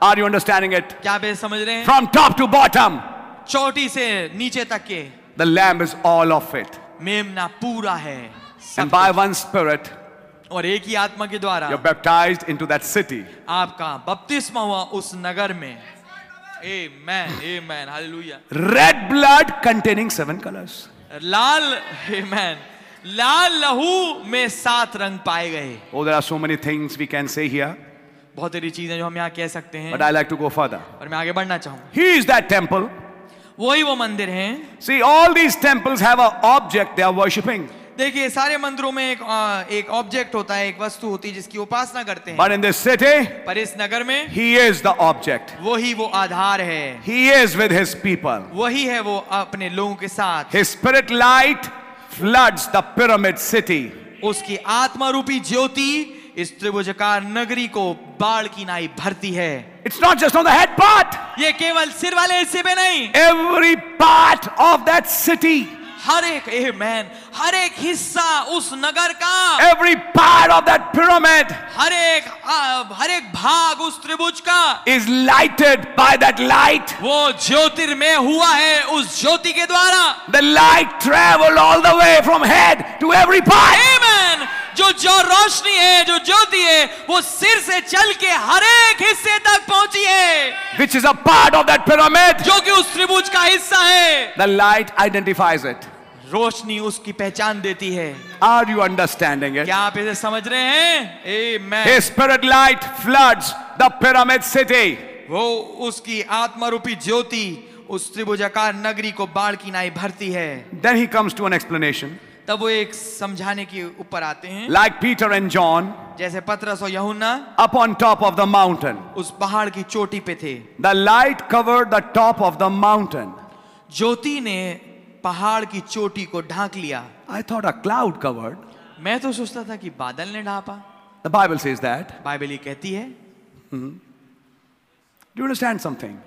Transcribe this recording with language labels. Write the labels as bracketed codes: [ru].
[en] Are you understanding it? [hi] क्या आप समझ रहे हैं? [en] From top to bottom. [hi] चोटी से नीचे तक के. [en] The Lamb is all of it. [hi] मेमना पूरा है. [en] And by one spirit. [hi] और एक ही आत्मा के द्वारा. [en] You're baptized into that city. [hi] आपका बपतिस्मा हुआ उस नगर में. [en] Amen, amen, hallelujah. Red blood containing seven colors. [hi] लाल, amen. लाल लहू में सात रंग पाए गए. [en] Oh, there are so many things we can say here. [hi] बहुत सारी चीजें जो हम यहाँ कह सकते हैं. [en] But I like to go further. [hi] और मैं आगे बढ़ना चाहूँगा. [en] He is that temple. [hi] वही वो मंदिर हैं. [en] See, all these temples have an object they are worshipping. [hi] देखिए सारे मंदिरों में एक एक ऑब्जेक्ट होता है, एक वस्तु होती है जिसकी उपासना करते हैं। [en] But in this city, [hi] पर इस नगर में, [en] he is the object. [hi] वही वो आधार है। [en] He is with his people. [hi] वही है वो अपने लोगों के साथ। [en] His spirit light floods the pyramid city. [hi] उसकी आत्मा रूपी ज्योति इस त्रिभुजाकार नगरी को बाढ़ की नाई भरती है। [en] It's not just on the head part. [hi] ये केवल सिर वाले हिस्से पे नहीं। [en] Every part of that city. [hi] हर एक, amen, हर एक हिस्सा उस नगर का, [en] every part of that pyramid, [hi] हर एक भाग उस त्रिभुज का, [en] is lighted by that light, [hi] वो ज्योतिर्मय हुआ है उस ज्योति के द्वारा, [en] the light traveled all the way from head to every part, [hi] amen, जो जो रोशनी है, जो ज्योति है, वो सिर से चल के हर एक हिस्से तक पहुंची है, [en] which is a part of that pyramid, [hi] जो कि उस त्रिभुज का हिस्सा है, [en] the light identifies it. [hi] रोशनी उसकी पहचान देती है। [en] Are you understanding it? [hi] क्या आप इसे समझ रहे हैं? Amen. [en] His spirit light floods the pyramid city. [hi] वो उसकी आत्मा रूपी ज्योति उस त्रिभुजाकार नगरी को बाढ़ की नाई भरती है। [en] Then he comes to an explanation. [hi] तब वो एक समझाने के ऊपर आते हैं। [en] Like Peter and John. [hi] जैसे पत्रस और यहुन्ना। [en] Up on top of the mountain. [hi] उस पहाड़ की चोटी पे थे। [en] The light covered the top of the mountain. [hi] ज्योति ने पहाड़ की चोटी को ढांक लिया। [en] I thought a cloud covered. [hi] मैं तो सोचता था कि बादल ने ढापा। [en] The Bible says that. [hi] Bible ये कहती है। [en] Do you understand something?